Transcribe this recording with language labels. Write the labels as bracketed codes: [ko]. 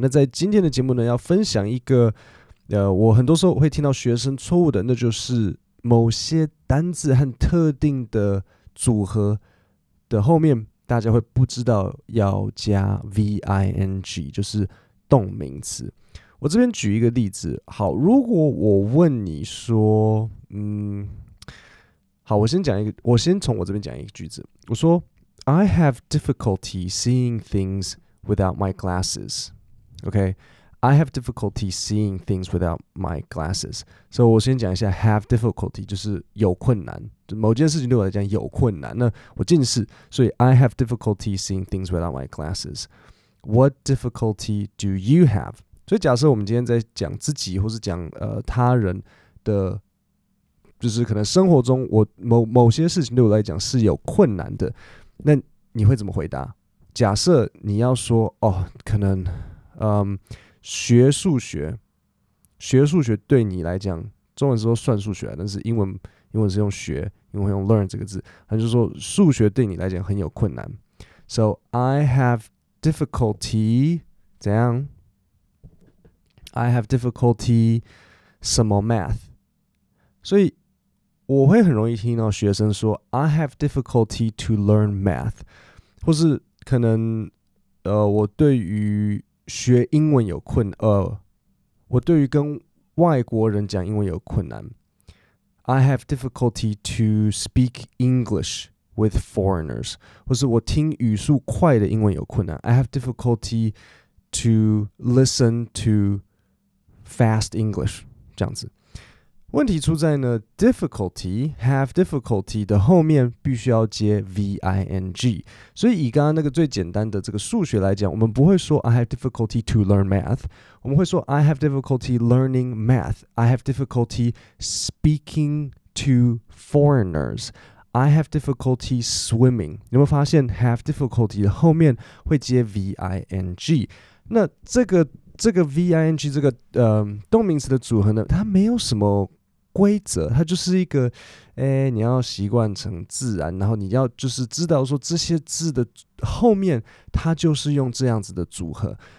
[zh] 那在今天的节目呢，要分享一个我很多时候会听到学生错误的，那就是某些单字和特定的组合的后面，大家会不知道要加 V-I-N-G， 就是动名词。我这边举一个例子，好，如果我问你说，好，我先从我这边讲一个句子，我说 [en] I have difficulty seeing things without my glasses. Okay, I have difficulty seeing things without my glasses. So [zh] 我先讲一下 have difficulty 就是有困难，某件事情对我来讲有困难。那我近视，所以 [en] I have difficulty seeing things without my glasses. What difficulty do you have? [zh] 所以假设我们今天在讲自己或是讲他人的，就是可能生活中我某些事情对我来讲是有困难的。那你会怎么回答？假设你要说哦，可能，学数学对你来讲，中文是说算数学，但是英文是用学，英文会用 learn 这个字，他就说数学对你来讲很有困难。 [en] So I have difficulty [zh] 怎样 [en] ？I have difficulty [zh] 什么 [en] math？ [zh] 所以。我会很容易听到学生说 [en] I have difficulty to learn math， [zh] 或是可能我对于学英文有困我对于跟外国人讲英文有困难。 [en] I have difficulty to speak English with foreigners， [zh] 或是我听语速快的英文有困难。 [en] I have difficulty to listen to fast English， [zh] 这样子。问题出在呢 ，difficulty have difficulty 的后面必须要接 ving， 所以以刚刚那个最简单的这个数学来讲，我们不会说 [en] I have difficulty to learn math， [zh] 我们会说 [en] I have difficulty learning math， I have difficulty speaking to foreigners， I have difficulty swimming。 [zh] 你有没有发现 have difficulty 的后面会接 ving？那这个 V-I-N-G 这个动名词的组合呢，它没有什么规则，它就是一个你要习惯成自然，然后你要就是知道说这些字的后面它就是用这样子的组合。